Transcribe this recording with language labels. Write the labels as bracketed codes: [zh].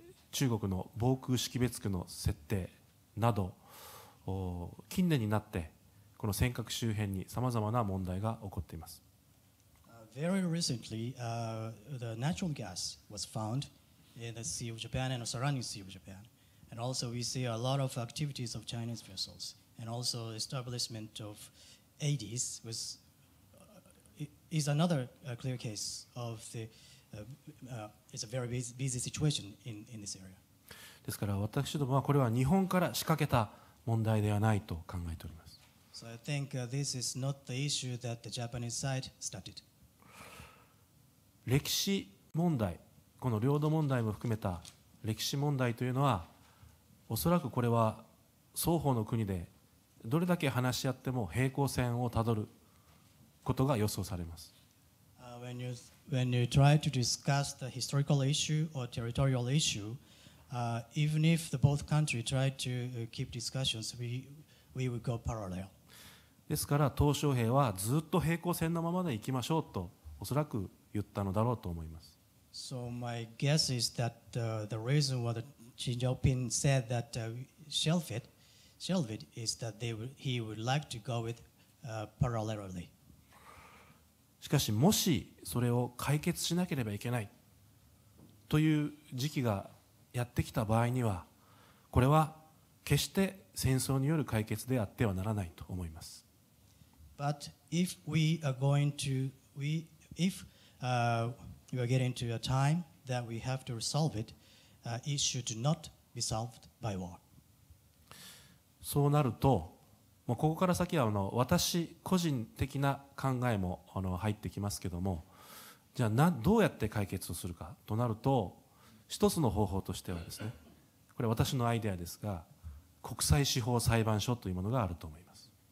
[ja] 中国の防空識別区の設定など近年になってこの尖閣周辺にさまざまな問題が起こっています。 [en] Very recently, the natural gas was found in the Sea of Japan and the surrounding Sea of Japan. And also, we see a lot of activities of Chinese vessels and also establishment of ADs is another clear case of the, it's a very busy situation in this area. [ja] ですから私どもはこれは日本から仕掛けた問題ではないと考えております。 [en] So I think this is not the issue that the Japanese side started. [ja] 歴史問題、この領土問題も含めた歴史問題というのは、おそらくこれは双方の国でどれだけ話し合っても平行線をたどることが予想されます。 [en] When you try to discuss the historical issue or territorial issue, even if the both countries try to keep discussions, we would go parallel. [ja] ですから、トウ小平はずっと平行線のままでいきましょうと、おそらく言ったのだろうと思います。 [en] So my guess is that the reason why Xi Jinping said that shelve it is that he would like to go with parallelly. [ja] しかしもしそれを解決しなければいけないという時期がやってきた場合には、これは決して戦争による解決であってはならないと思います。 [en] But if we are going to we are getting to a time that we have to resolve it, it should not be solved by war. [ja] そうなると、もうここから先は私個人的な考えも入ってきますけども、じゃあどうやって解決をするかとなると、一つの方法としてはですね、これ私のアイデアですが、国際司法裁判所というものがあると思います。